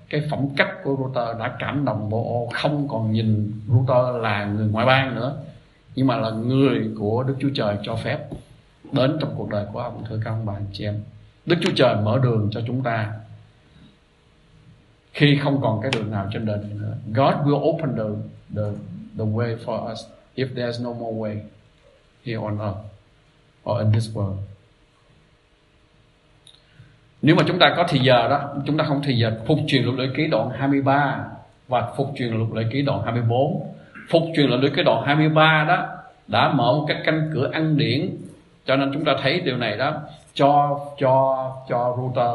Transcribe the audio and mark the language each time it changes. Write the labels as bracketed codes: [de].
[vi] phẩm cách của Ruth đã cảm động Boaz, không còn nhìn Ruth là người ngoại bang nữa, nhưng mà là người của Đức Chúa Trời cho phép đến trong cuộc đời của ông. Thưa các ông bà anh chị em, Đức Chúa Trời mở đường cho chúng ta khi không còn cái đường nào trên đời này nữa. [en] God will open the way for us if there's no more way here on earth or in this world. [vi] Nếu mà chúng ta có thì giờ đó, chúng ta không thì giờ, Phục Truyền Luật Lễ Ký đoạn 23 và Phục Truyền Luật Lễ Ký đoạn 24. Phục Truyền Luật Lễ Ký đoạn 23 đó đã mở một cái canh cửa ăn điển, cho nên chúng ta thấy điều này đó cho Ruth.